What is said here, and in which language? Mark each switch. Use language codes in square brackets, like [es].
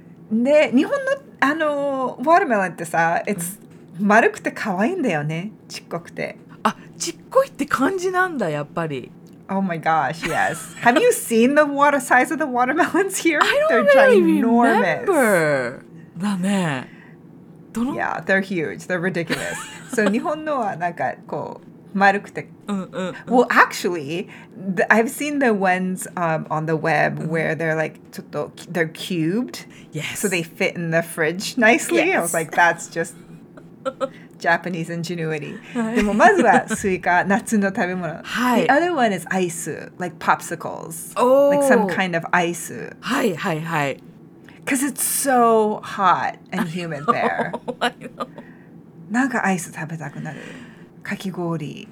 [ja] で、日本のあのワタメロンってさ、 [en] it's [ja] 丸くて可愛いんだよね。ちっこくて。あ、ちっこいって感じなんだやっぱり。 [en] Oh my gosh, yes. Have you seen the water size of the watermelons here? I don't really remember. [ja] だね。 [en] Yeah, they're huge. They're ridiculous. So, [ja] 日本のはなんかこう丸くて、 [en] Well, actually, I've seen the ones on the web where they're like [ja] ちょっと [en] they're cubed. Yes. So they fit in the fridge nicely. Yes. I was like, that's just Japanese ingenuity. [ja] でもまずはスイカ、夏の食べ物。はい。 [en] The other one is ice, like popsicles. Oh. Like some kind of ice. [ja] はいはいはい。 [en] Because it's so hot and humid there. [ja] なんかアイス食べたくなる。かき氷。